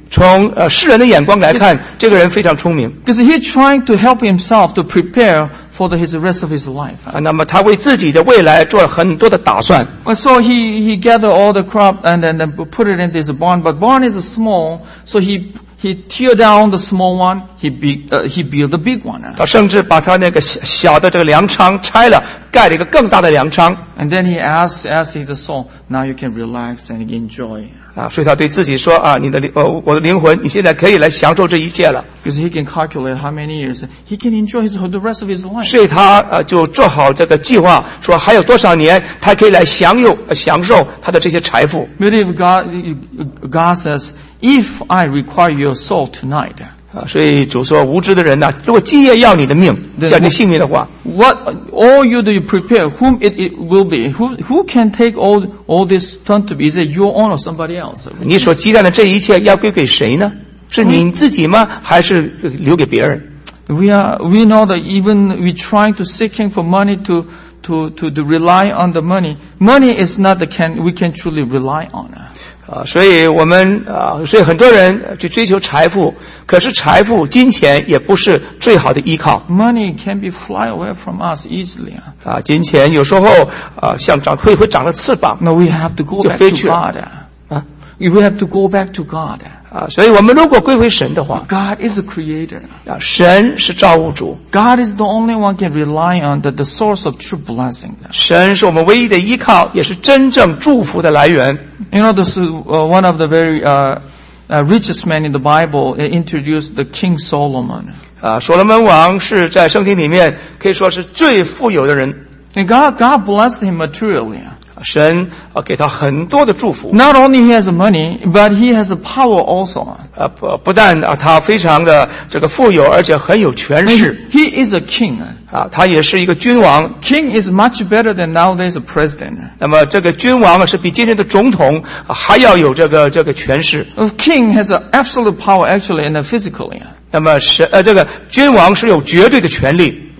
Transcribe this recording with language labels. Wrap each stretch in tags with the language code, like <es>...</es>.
<zh>从世人的眼光来看，这个人非常聪明。</zh> <en>Because he's trying to help himself to prepare for the rest of his life.</en> <zh>那么他为自己的未来做了很多的打算。</zh> <en>So he gathered all the crop and then put it in this barn. But barn is small, so he tear down the small one. He build the big one.</en> <zh>他甚至把他那个小的这个粮仓拆了，盖了一个更大的粮仓。</zh> <en>And then he asked his soul, "Now you can relax and enjoy."</en> <zh>啊，所以他对自己说啊，你的我的灵魂，你现在可以来享受这一切了。</zh> <en>Because he can calculate how many years he can enjoy the rest of his life.</en> <zh>所以他就做好这个计划，说还有多少年他可以来享受他的这些财富。</zh> <en>But if God says, "If I require your soul tonight."</en> <zh>所以主说，无知的人呐、啊，如果今夜要你的命，要你性命的话</zh> <en>，What all you do you prepare? Whom it will be? Who can take all this turn to be? Is it your own or somebody else?</en> <zh>你所积攒的这一切要归给谁呢？是你自己吗？还是留给别人</zh> <en>？We know that even we trying to seeking for money to rely on the money. Money is not the can we can truly rely on.</en> <zh>所以我们所以很多人去追求财富，可是财富金钱也不是最好的依靠。</zh> <en>Money can be fly away from us easily.</en> <zh>金钱有时候像长会长了翅膀。</zh> <en>No, we have to go back to God. 啊，we have to go back to God.</en> <zh>所以我们如果归回神的话</zh> <en>，God is the creator.</en> <zh>神是造物主。</zh> <en>God is the only one can rely on the source of true blessing.</en> <zh>神是我们唯一的依靠，也是真正祝福的来源。</zh> <en>You know, this is one of the very richest men in the Bible. It introduced the King Solomon.</en> <zh>所罗门王是在圣经里面可以说是最富有的人。</zh> <en>And God blessed him materially.</en> <zh>神给他很多的祝福。</zh> <en>Not only he has money, but he has a power also.</en> <zh>不但他非常的这个富有，而且很有权势。</zh> <en>He is a king.</en> <zh>他也是一个君王。</zh> <en>King is much better than nowadays president.</en> <zh>那么这个君王是比今天的总统还要有这个权势。</zh> <en>A king has an absolute power actually and physically.</en> <zh>那么这个君王是有绝对的权力。</zh>